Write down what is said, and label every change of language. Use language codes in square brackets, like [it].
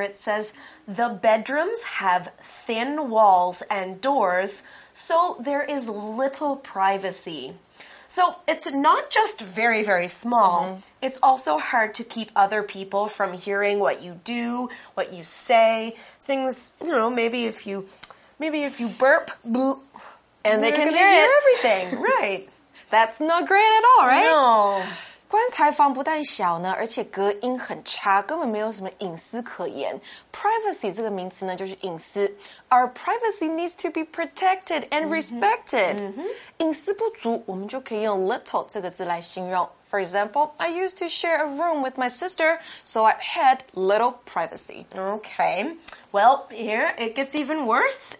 [en] It says, the bedrooms have thin walls and doors, so there is little privacy. So it's not just very, very small. Mm-hmm. It's also hard to keep other people from hearing what you do, what you say. Things, you know, maybe if you burp, bloop, and they can hear it. Everything, right. That's not great at all, right? No. [zh] 棺材房不但小呢，而且隔音很差，根本没有什么隐私可言。 Privacy 这个名词呢，就是隐私。 [en] Our privacy needs to be protected and respected. [zh] Mm-hmm. 隐私不足，我们就可以用 little 这个字来形容。 [en] For example, I used to share a room with my sister, so I had little privacy. Okay. Well, here it gets even worse.